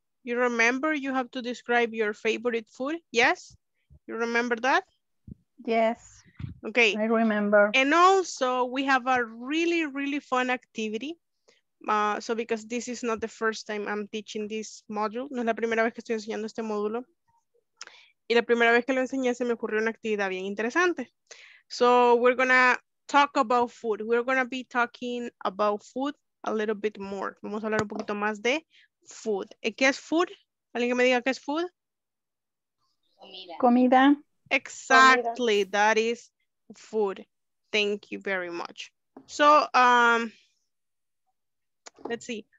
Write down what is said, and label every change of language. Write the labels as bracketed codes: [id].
[en] You remember you have to describe your favorite food? Yes? You remember that? Yes. Okay. I remember. And also we have a really, really fun activity. So because this is not the first time I'm teaching this module. [es] No es la primera vez que estoy enseñando este módulo. Y la primera vez que lo enseñé se me ocurrió una actividad bien interesante. [en] So we're gonna talk about food. We're gonna be talking about food a little bit more. [es] Vamos a hablar un poquito más de food. ¿Qué es food? ¿Alguien que me diga qué es food? Comida. [en] Exactly. Comida. That is food. Thank you very much. So, let's see.